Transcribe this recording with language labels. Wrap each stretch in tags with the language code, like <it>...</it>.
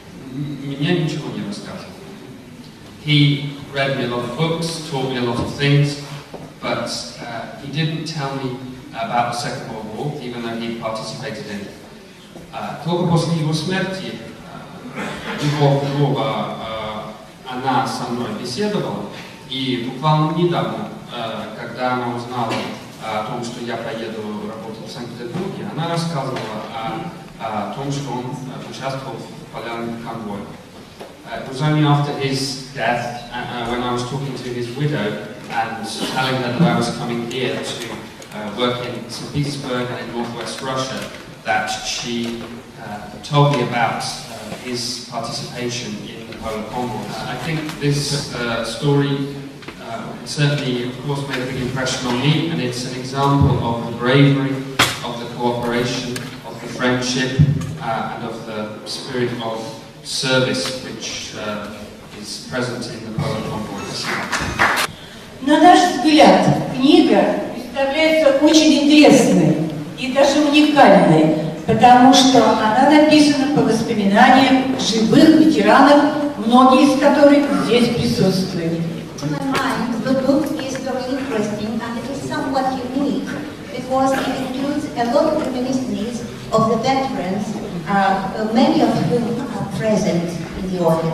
<en>He read me a lot of books, taught me a lot of things, but he didn't tell me about the Second World War, even though he participated in it.</en> <ru>Только после его смерти его друга она со мной беседовала, и буквально недавно, когда она узнала о том, что я поеду работать в Санкт-Петербурге, она рассказывала о том, что он участвовал в полярном конвое.</ru> <en>It was only after his death, when I was talking to his widow and telling her that I was coming here to work in St. Petersburg and in Northwest Russia, that she told me about his participation in the Polar Convoy. I think this story certainly, of course, made a big impression on me, and it's an example of the bravery, of the cooperation, of the friendship, and of the spirit of service which is present in the Polar Convoy.</en> <ru>На наш взгляд, книга представляется очень интересной и даже уникальной, потому что она написана по воспоминаниям живых ветеранов, многие из которых здесь присутствуют.</ru> <en>To my mind, the book is very interesting and it is somewhat unique because it includes a lot of reminiscences of the veterans, many of whom present in the audience.</en>